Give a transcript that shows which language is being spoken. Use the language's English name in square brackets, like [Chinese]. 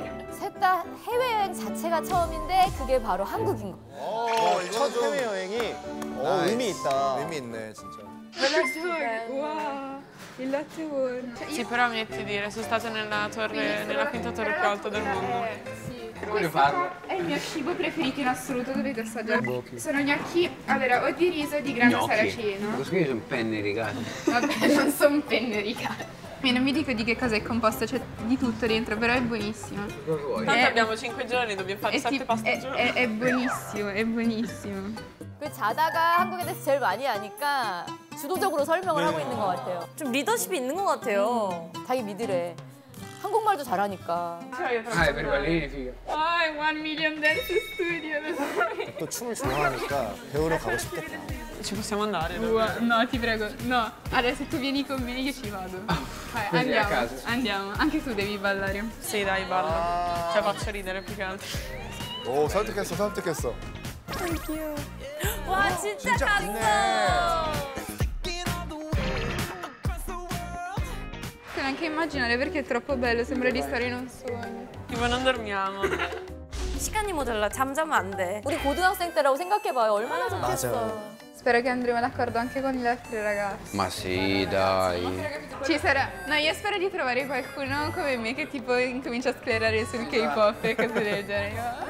[Korean] 셋 다 해외 여행 자체가 처음인데 그게 바로 한국인 거. 첫 해외 여행이 의미 있다. 의미 있네, 진짜. 벨라스월. 와. Il latte world. [Italian] Sì, però ammetti dire, sono stata nella quinta torre più alta del mondo. Sì. Questo è il mio cibo preferito in assoluto, dovete assaggiare. Sono gnocchi, allora, o di riso o di grano saraceno. Gnocchi? Sono penne rigate. Vabbè, non sono penne rigate. Non vi dico di che cosa è composto, c'è di tutto dentro, però è buonissimo. Cosa vuoi? Tanto abbiamo 5 giorni, dobbiamo fare 7 pasti al giorno. È buonissimo. [Korean] 그 자다가 한국에 대해서 제일 많이 아니까 주도적으로 설명을 하고 있는 것 같아요. 좀 리더십이 있는 것 같아요. 자기 믿으래. 한국말도 잘하니까. [English] Hi, very well, Hi, 1 million dance studio. [Korean] 또 춤을 좋아하니까 배우러 가고 싶겠다. [Italian] Ci possiamo andare? No, ti prego. No. Allora, se tu vieni con me, io ci vado. Andiamo. Anche tu devi ballare. Sì, dai, balla. Cioè, faccio ridere più che altro. [Korean] Oh, 설득했어. [English] Thank you. [Korean] 와, 진짜 감동! [Italian] 안케 immaginare perché è troppo bello, sembra di stare in un sogno. Tipo non dormiamo. [Korean] 시간이 모자라, 잠자면 안 돼. 우리 고등학생 때라고 생각해봐요, 얼마나 좋겠어. [Italian] 스페로 che andremo d'accordo anche con gli altri ragazzi. Ma sì, dai. Ci sarà. No, io spero di trovare qualcuno come me che tipo incomincia a sclerare sul K-pop e cose del genere.